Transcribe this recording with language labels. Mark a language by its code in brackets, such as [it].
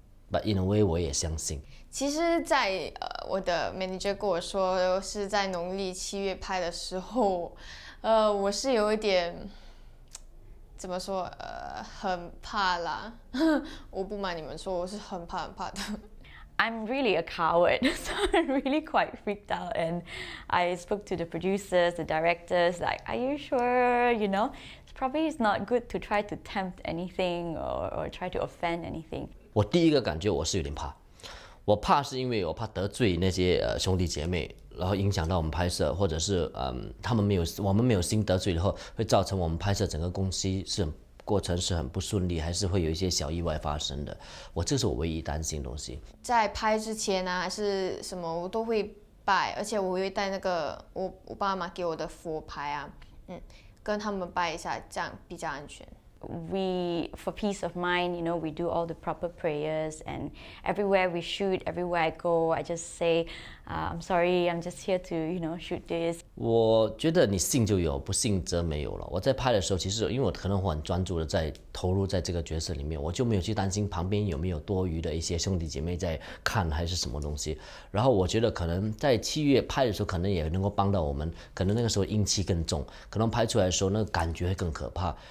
[en] But in a way, [zh] 我也相信。其实在，我的 manager 跟我说是在农历七月拍的时候，我是有一点，怎么说，很怕啦。我不瞒你们说，我是很怕很怕的。 [en] I'm really a coward, so I'm really quite freaked out. And I spoke to the producers, the directors, like, are you sure, you know? Probably it's not good to try to tempt anything or try to offend anything. [zh] 我第一个感觉我是有点怕，我怕是因为我怕得罪那些兄弟姐妹，然后影响到我们拍摄，或者是他们没有我们没有心得罪以后，会造成我们拍摄整个公司是过程是很不顺利，还是会有一些小意外发生的。我这是我唯一担心的东西。在拍之前啊，还是什么我都会拜，而且我会带那个我爸妈给我的佛牌啊，跟他们拜一下，这样比较安全。 [en] We, for peace of mind, you know, we do all the proper prayers and everywhere we shoot, everywhere I go, I just say, I'm sorry, I'm just here to, you know, shoot this. [zh] 我觉得你信就有，不信则没有了。我在拍的时候，其实因为我可能很专注的在投入在这个角色里面，我就没有去担心旁边有没有多余的一些兄弟姐妹在看还是什么东西。然后我觉得可能在七月拍的时候，可能也能够帮到我们，可能那个时候阴气更重，可能拍出来的时候那个感觉会更可怕。